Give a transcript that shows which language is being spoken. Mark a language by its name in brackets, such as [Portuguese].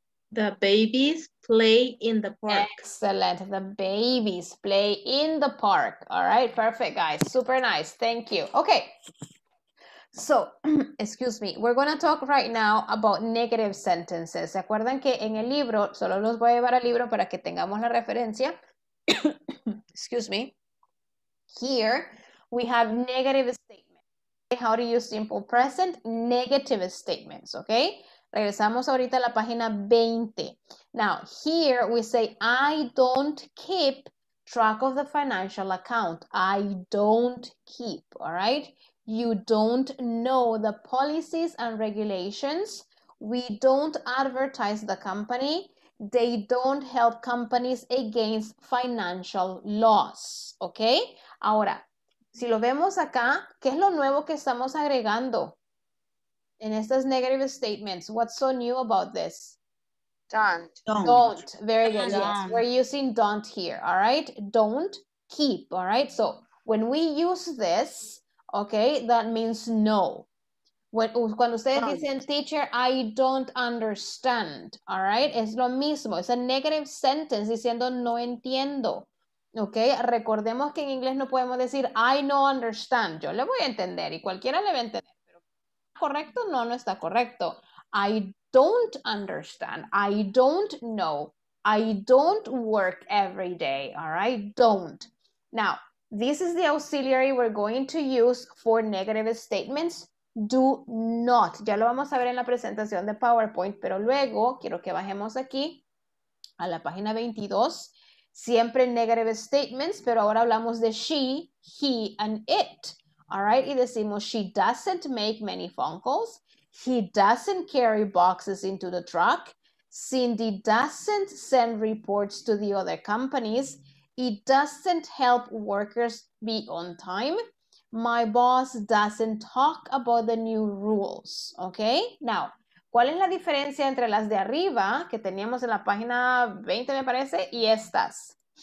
[English] The babies play in the park. Excellent. The babies play in the park. All right. Perfect, guys. Super nice. Thank you. Okay. So, excuse me. We're going to talk right now about negative sentences. [Spanish] ¿Se acuerdan que en el libro, solo los voy a llevar al libro para que tengamos la referencia? [English] Excuse me. Here, we have negative statements. How to use simple present? Negative statements. Okay. [Spanish] Regresamos ahorita a la página 20. [English] Now, here we say, I don't keep track of the financial account. I don't keep, all right? You don't know the policies and regulations. We don't advertise the company. They don't help companies against financial laws, okay? [Spanish] Ahora, si lo vemos acá, ¿qué es lo nuevo que estamos agregando? [English] In estas negative statements, what's so new about this? Don't. Very good. Don't. Yes. We're using don't here, all right? Don't keep, all right? So when we use this, okay, that means no. [Spanish] Cuando ustedes dicen, [English] teacher, I don't understand, all right? [Spanish] Es lo mismo. [English] It's a negative sentence [Spanish] diciendo no entiendo, [English] okay? [Spanish] Recordemos que en inglés no podemos decir, [English] I no understand. [Spanish] Yo le voy a entender y cualquiera le va a entender. ¿Correcto? No, no está correcto. [English] I don't understand. I don't know. I don't work every day. All right? Don't. Now, this is the auxiliary we're going to use for negative statements. Do not. [Spanish] Ya lo vamos a ver en la presentación de PowerPoint, pero luego quiero que bajemos aquí a la página 22. Siempre negative statements, pero ahora hablamos de she, he, and it. [English] All right, [Spanish] y decimos, [English] she doesn't make many phone calls. He doesn't carry boxes into the truck. Cindy doesn't send reports to the other companies. He doesn't help workers be on time. My boss doesn't talk about the new rules. [Spanish] Okay, now, ¿cuál es la diferencia entre las de arriba que teníamos en la página 20, me parece, y estas?